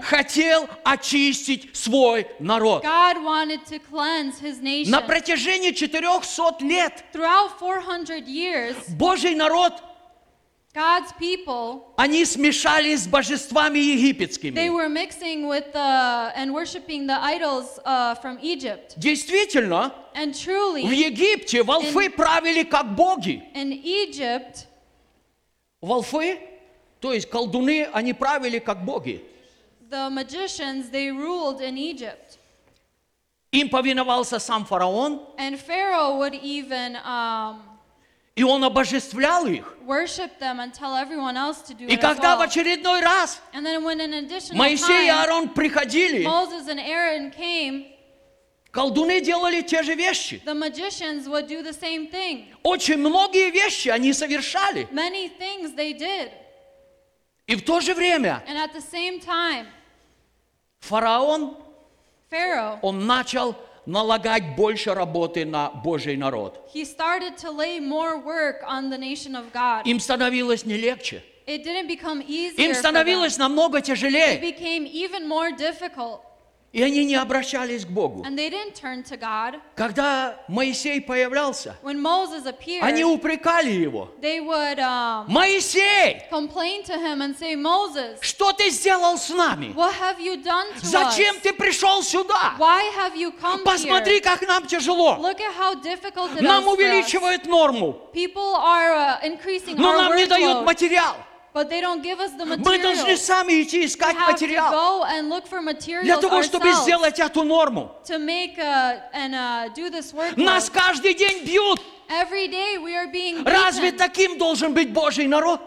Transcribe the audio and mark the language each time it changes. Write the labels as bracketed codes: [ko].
[ru] Хотел очистить свой народ. [en] God wanted to cleanse his nation. [ru] На протяжении 400 лет [en] throughout 400 years, [ru] Божий народ, [en] God's people, [ru] они смешались с божествами египетскими. [en] They were mixing with the, and worshiping the idols from Egypt. [ru] Действительно, [en] and truly, [ru] в Египте волхвы [en] in, [ru] правили как боги. [en] In Egypt, [ru] волхвы, то есть колдуны, они правили как боги. [en] The magicians, they ruled in Egypt. [ru] Им повиновался сам фараон. [en] And Pharaoh would even [ru] и он обожествлял их. [en] Worship them and tell everyone else to do it. [ru] И когда в очередной раз Моисей и Аарон приходили, [en] Moses and Aaron came, [ru] колдуны делали те же вещи. [en] The magicians would do the same thing. [ru] Очень многие вещи они совершали. [en] Many things they did. [ru] И в то же время, [en] and at the same time, [ru] фараон, [en] Pharaoh, [ru] он начал налагать больше работы на Божий народ. [en] He started to lay more work on the nation of God. [ru] Им становилось не легче. [en] It didn't become easier. [ru] Им становилось намного тяжелее. [en] It became even more difficult. [ru] И они не обращались к Богу. [en] And they didn't turn to God. [ru] Когда Моисей появлялся, [en] when Moses appeared, [ru] они упрекали его. [en] They would, [ru] Моисей! [en] Complain to him and say, Moses, [ru] что ты сделал с нами? [en] What have you done to [ru] зачем [en] us? [ru] Ты пришел сюда? [en] Why have you come [ru] посмотри, [en] here? [ru] Как нам тяжело. [en] Look at how difficult it [ru] нам увеличивают [en] us. [ru] Норму. [en] People are, increasing [ru] но [en] our [ru] нам [en] workload. [ru] Не дают материал. [en] But they don't give us the material. We have to go and look for materials ourselves to make a, and do this work. [ru] Нас каждый день бьют. [en] Every day we are being beaten. [ru] Разве таким должен быть Божий народ?